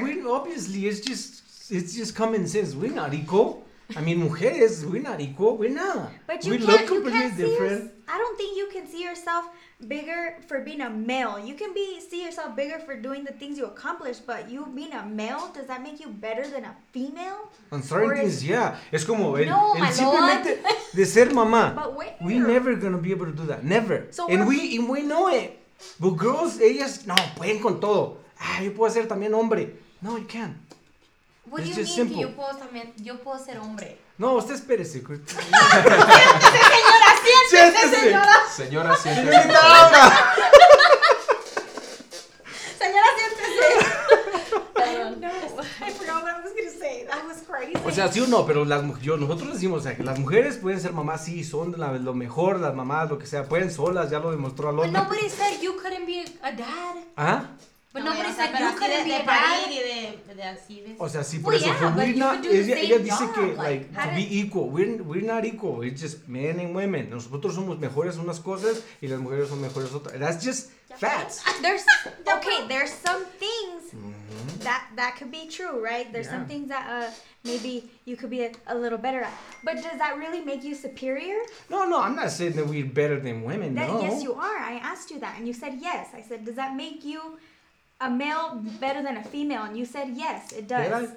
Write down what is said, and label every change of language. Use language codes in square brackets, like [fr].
[en] But obviously, it's just common sense. We're not equal. I mean, mujeres, we're not equal. We're not. But you can't. Look completely different. I don't think you can see yourself bigger for being a male. You can see yourself bigger for doing the things you accomplish, but you being a male, does that make you better than a female? On certain things, [es] Es como el simplemente de ser mamá. [en] But wait, we're never gonna be able to do that. Never. And we know it. But girls, [es] ellas, no, pueden con todo. Yo puedo ser también hombre. [en] No, you can't. What it's do you mean simple. [es] Yo puedo ser hombre? No, usted espérese. Siéntese, señora, Señora, siéntese. Señora, siéntese. [en] I forgot what I was going to say. That was crazy. [es] O sea, sí o no, pero nosotros decimos, que las mujeres pueden ser mamás, sí, son lo mejor, las mamás, lo que sea, pueden solas, ya lo demostró al [en] otro. But nobody said you couldn't be a dad. ¿Ah? But no, nobody said you couldn't be a dad. [es] De o sea, sí, por eso. Yeah, ella dice que, [en] to be equal. We're not equal. It's just men and women. [es] Nosotros somos mejores unas cosas y las mujeres son mejores otras. [en] That's just facts. There's some things that could be true, right? There's some things that maybe you could be a little better at. But does that really make you superior? No, I'm not saying that we're better than women, Yes, you are. I asked you that and you said yes. I said, does that make you a male better than a female, and you said yes, it does.